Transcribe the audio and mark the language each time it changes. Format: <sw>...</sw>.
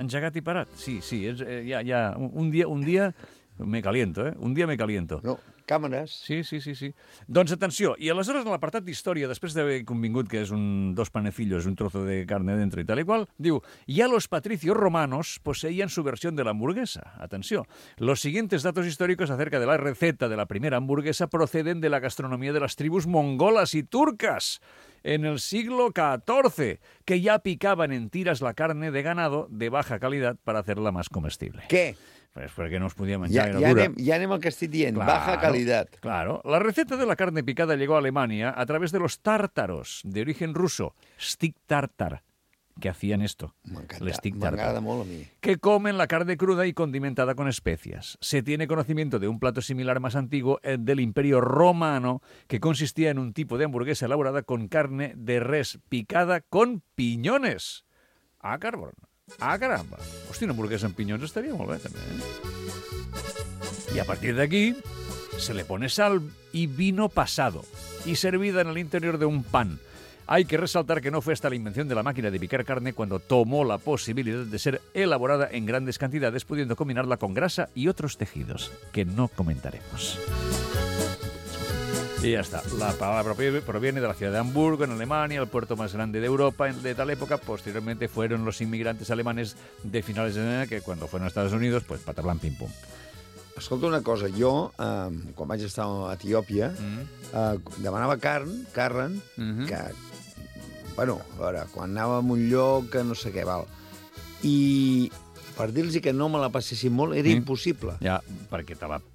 <ca>Engegat i parat. Sí, ja. Un dia...</ca> <es>Me caliento, eh?</es> <ca>Un dia</ca> <es>me caliento.</es> <ca>No, càmeres. Sí. Doncs atenció, i aleshores, en l'apartat d'història, després d'haver convingut que és</ca> <es>un dos panecillos, un trozo de carne dentro</es> <ca>i tal i qual, diu,</ca> <es>ya los patricios romanos poseían su versión de la hamburguesa.</es> <ca>Atenció.</ca> <es>Los siguientes datos históricos acerca de la receta de la primera hamburguesa proceden de la gastronomía de las tribus mongolas y turcas en el siglo XIV, que ya picaban en tiras la carne de ganado de baja calidad para hacerla más comestible. ¿Qué?</es> <ca>Pues perquè no es podia menjar ja, dura. Ja anem al que estic dient,</ca> <es>claro, baja calidad. Claro. La receta de la carne picada llegó a Alemania a través de los tártaros de origen ruso, stick tartar, que hacían esto.</es> <ca>M'agrada molt a mi.</ca> <es>Que comen la carne cruda y condimentada con especias. Se tiene conocimiento de un plato similar más antiguo del Imperio Romano, que consistía en un tipo de hamburguesa elaborada con carne de res picada con piñones. Ah, carbón. Ah, caramba.</es> <ca>Hòstia, una hamburguesa amb pinyons estaria molt bé, també. I a partir d'aquí,</ca> <es>se le pone sal y vino pasado y servida en el interior de un pan. Hay que resaltar que no fue hasta la invención de la máquina de picar carne cuando tomó la posibilidad de ser elaborada en grandes cantidades, pudiendo combinarla con grasa y otros tejidos, que no comentaremos. Y ya está. La palabra proviene de la ciudad de Hamburgo, en Alemania, el puerto más grande de Europa de tal época. Posteriormente fueron los inmigrantes alemanes de finales de enero, que cuando fueron a Estados Unidos, pues patablan, pim, pum.</es> <ca>Escolta una cosa, jo, quan vaig estar a Etiòpia, demanava carn, que, bueno, a veure, quan anava a un lloc, no sé què, val. I per dir-los que no me la passessin molt era impossible. Ja, perquè te la...</ca>